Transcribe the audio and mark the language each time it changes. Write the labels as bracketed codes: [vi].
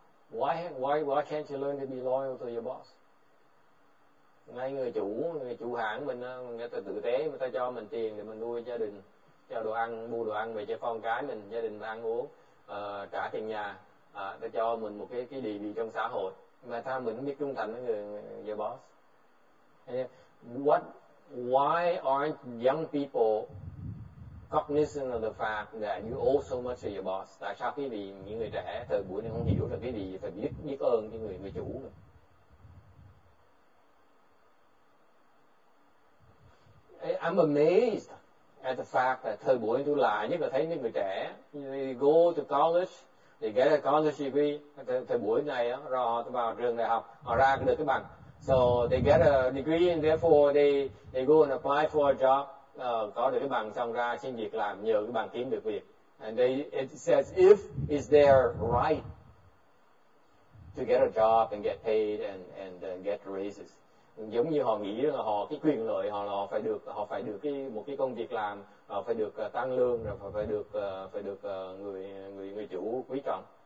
[en] Why can't you learn to be loyal to your boss? [vi] Ngay người chủ hãng mình, người ta tử tế, người ta cho mình tiền để mình nuôi gia đình, cho đồ ăn, mua đồ ăn về cho con cái mình, gia đình ăn uống, trả tiền nhà, ta cho mình một cái địa vị trong xã hội. Mà ta mình không biết trung thành với người boss. [en] Why aren't young people cognizant of the fact that you owe so much to your boss? [vi] Tại sao quý vị, những người trẻ thời buổi này không hiểu là cái gì phải biết ơn cái người chủ này? [en] I'm amazed at the fact that [vi] thời buổi tôi lại nhất là thấy những người trẻ, [en] they go to college, they get a college degree. [vi] Thời buổi này rồi vào trường đại học, họ ra được cái bằng. [en] So they get a degree and therefore they go and apply for a job, [vi] có được cái bằng xong ra xin việc làm nhờ cái bằng kiếm được việc. [en] And they, it says, if is their right to get a job and get paid and get raises. [vi] Giống như họ nghĩ là họ cái quyền lợi họ là họ phải được cái một cái công việc làm, họ phải được tăng lương rồi phải được người người người chủ quý trọng.